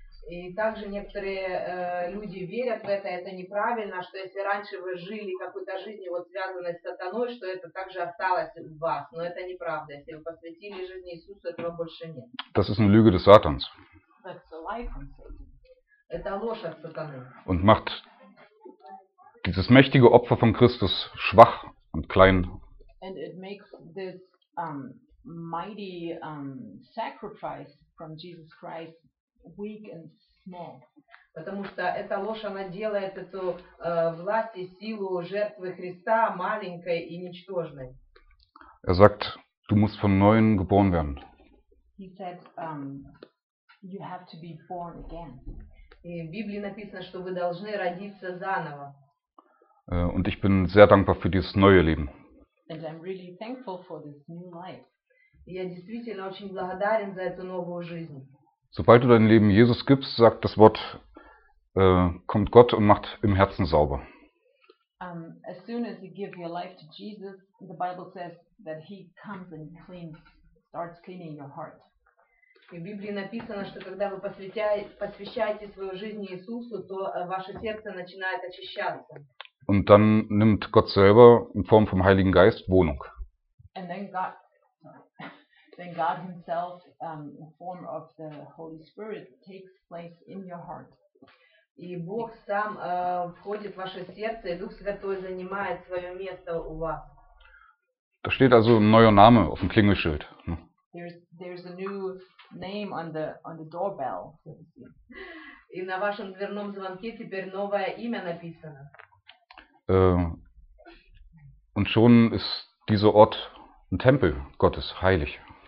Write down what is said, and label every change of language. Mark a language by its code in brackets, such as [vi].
[ru] И также некоторые люди верят в это неправильно, что если раньше вы жили какой-то жизнью, вот связанной с сатаной, что это также осталось в вас. Но это неправда. Если вы посвятили жизнь Иисусу, этого больше нет. [de] Das ist eine Lüge des Satans. [en] That's a lie from Satan. [ru] Это ложь от сатаны. [de] Und macht dieses mächtige Opfer von Christus schwach und klein. [en] And it makes this mighty sacrifice from Jesus Christ weak and small. [ru] Потому что эта ложь, она делает эту власть и силу жертвы Христа маленькой и ничтожной. [de] Sagt, du musst von Neuem geboren werden. [en] He said, You have to be born again. [ru] И в Библии написано, что вы должны родиться заново. [de] Und ich bin sehr dankbar für dieses neue Leben. [en] And I'm really thankful for this new life. [ru] Я действительно очень благодарен за эту новую жизнь. [de] Sobald du dein Leben Jesus gibst, sagt das Wort, kommt Gott und macht im Herzen sauber. [en] As soon as you give your life to Jesus, the Bible says that he comes and starts cleaning your heart. [ru] И в Библии написано, что когда вы посвящаете свою жизнь Иисусу, то ваше сердце начинает очищаться. [de] Und dann nimmt Gott selber in Form vom Heiligen Geist Wohnung. [en] And then God himself in form of the Holy Spirit takes place in your heart. [ru] И Бог сам входит в ваше сердце, и Дух Святой занимает свое место у вас. [de] Da steht also ein neuer Name auf dem Klingelschild. [en] There's a new name on the doorbell. [ru] И на вашем дверном звонке теперь новое имя написано. [de] Und schon ist dieser Ort ein Tempel Gottes, heilig.